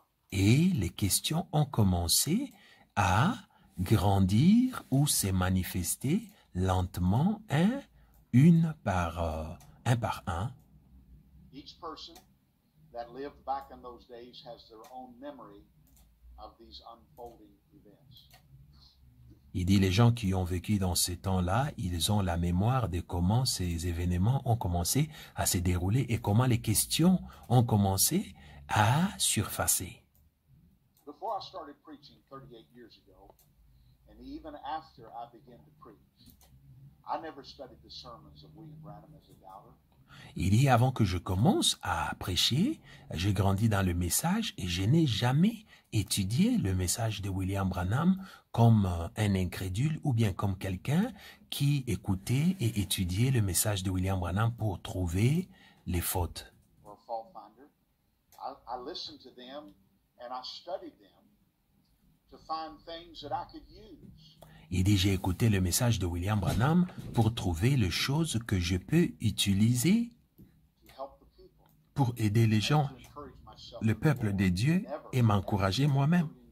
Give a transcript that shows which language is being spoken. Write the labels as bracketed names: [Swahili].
[French] Et les questions ont commencé à grandir ou se manifester lentement, un par un. [English] Each person that lived back in those days has their own memory of these unfolding events. [French] Il dit les gens qui ont vécu dans ces temps-là, ils ont la mémoire de comment ces événements ont commencé à se dérouler et comment les questions ont commencé à surfacer. [English] Before I started preaching 38 years ago, and even after I began to preach, I never studied the sermons of William Branham as a doubter. [French] Il dit, avant que je commence à prêcher, j'ai grandi dans le message et je n'ai jamais étudié le message de William Branham comme un incrédule ou bien comme quelqu'un qui écoutait et étudiait le message de William Branham pour trouver les fautes. [English] I listened to them and I studied them to find things that I could use. [French] Il dit, j'ai écouté le message de William Branham pour trouver les choses que je peux utiliser pour aider les gens, le peuple de Dieu, et m'encourager moi-même.